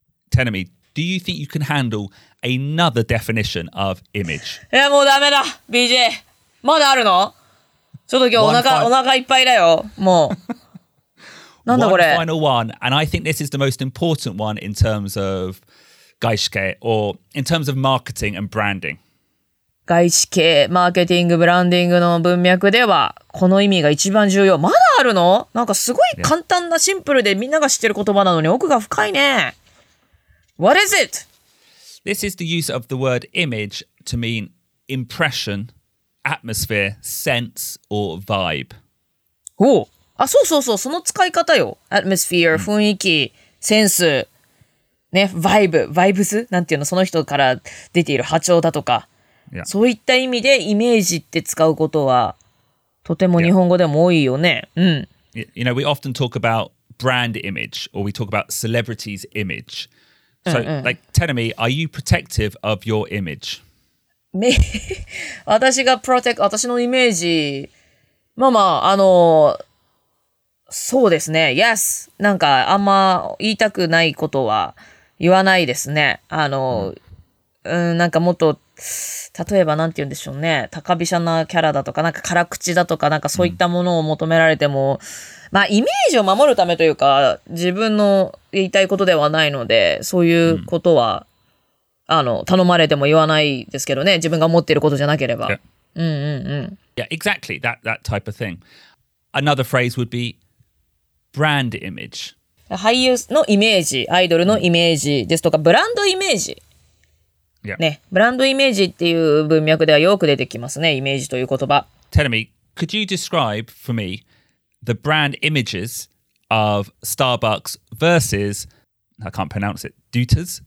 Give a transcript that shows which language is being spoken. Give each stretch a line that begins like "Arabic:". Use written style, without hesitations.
English: Tell me, do you think you can handle another definition of image?
Japanese: いや、もうダメだ、BJ。まだあるの？ちょっと今日お腹いっぱいだよ、もう。なんだこれ。
English: One final one, and I think this is the most important one in terms of 外資系 or in terms of marketing and branding.
Japanese: 外資系、マーケティング、ブランディングの文脈では、この意味が一番重要。まだあるの？なんかすごい簡単な、シンプルでみんなが知ってる言葉なのに奥が深いね。
English: What is it? This is the use of the word image to mean impression, atmosphere, sense, or vibe. おお。
Japanese: あ、そうそうそう、その使い方よ。 atmosphere、雰囲気、センス、ね、vibe、vibes？なんていうの、その人から出ている波長だとか。
English: Yeah.
Japanese: そういった意味でイメージって使うことは、とても日本語でも多いよね。
English: Yeah. うん。 You know, we often talk about brand image, or we talk about celebrities' image. So, like, Tenemi, are you protective of your image?
Japanese: 私が protect、私のイメージ。まあまあ、そうですね。Yes. なんか、あんま言いたくないことは言わないですね。なんかもっと、例えばなんて言うんでしょうね。高飛車なキャラだとか、なんか辛口だとか、なんかそういったものを求められても、まあ、イメージを守るためというか、自分の言いたいことではないので、そういうことは、頼まれても言わないですけどね。自分が思っていることじゃなければ。
English: Yeah.
Japanese: うんうんうん。
English: Yeah, exactly. That type of thing. Another phrase would be,brand image.
Japanese: 俳優のイメージ、アイドルのイメージですとか、ブランドイメージ。
English: Yeah.
Japanese: ね、ブランドイメージっていう文脈ではよく出てきますね、イメージという言葉。
English: Tell me, could you describe for me the brand images of Starbucks versus, I can't pronounce it, Dooters?